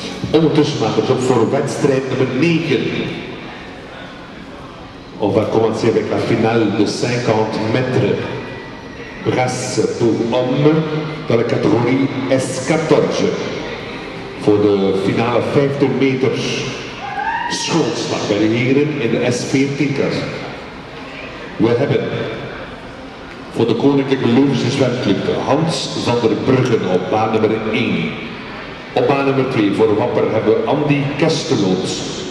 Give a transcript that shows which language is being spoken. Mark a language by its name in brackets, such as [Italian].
[Dutch] Ondertussen maakt het op voor wedstrijd nummer 9. [French] On va commencer avec la finale de 50 mètres brasse pour hommes dans la catégorie S14. [Dutch] Voor de finale 50 meters schoolslag bij de heren in de S14. We hebben voor de Koninklijke Loerse Zwemclub Hans van der Bruggen op baan nummer 1. Op baan nummer 2 voor Wapper hebben we Andy Kesteloots.